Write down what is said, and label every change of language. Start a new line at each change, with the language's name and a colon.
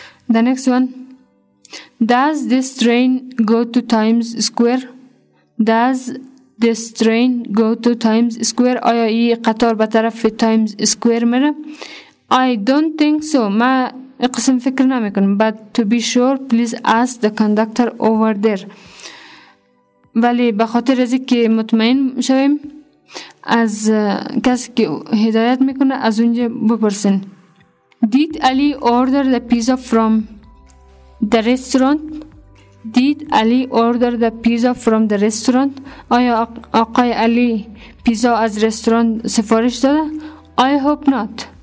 English: the next one does this train go to Times Square does This train go to Times Square.
Persian: آیا ای قطار به طرف Times Square میره؟ I don't think so. ما قسم فکر نمی کنم.
English: But to be sure, please ask the conductor over there.
Persian: ولی به خاطر از اینکه مطمئن شویم از کسی که هدایت میکنه از اونجا بپرسین.
English: Did Ali order the pizza from the restaurant? Did Ali order the pizza from the restaurant?
Persian: آیا آقای علی پیزا از رستوران سفارش داده؟ I hope not.